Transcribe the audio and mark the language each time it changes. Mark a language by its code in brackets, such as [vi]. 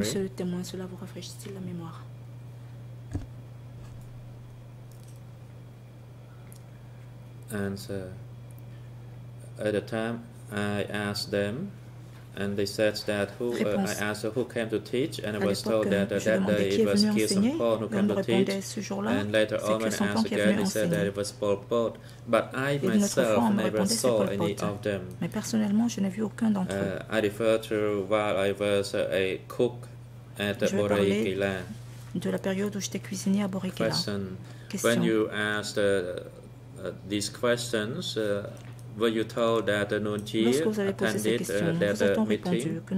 [fr] Monsieur le témoin, cela vous rafraîchit-il la mémoire? [en] And at the time, I asked them, and they said that who I asked who came to teach, and I was told that that day it was Khieu Samphan who came to teach. And later on, when I asked again, they said that it was Pol Pot. But I myself never saw any of them. [fr] Mais personnellement, je n'ai vu aucun d'entre eux. [en] I refer to while I was a cook at Borikila. [fr] De la période où j'étais cuisinier à Borikila. [en] Question. When you asked these questions. Were you told that Nguyen Chi attended that meeting?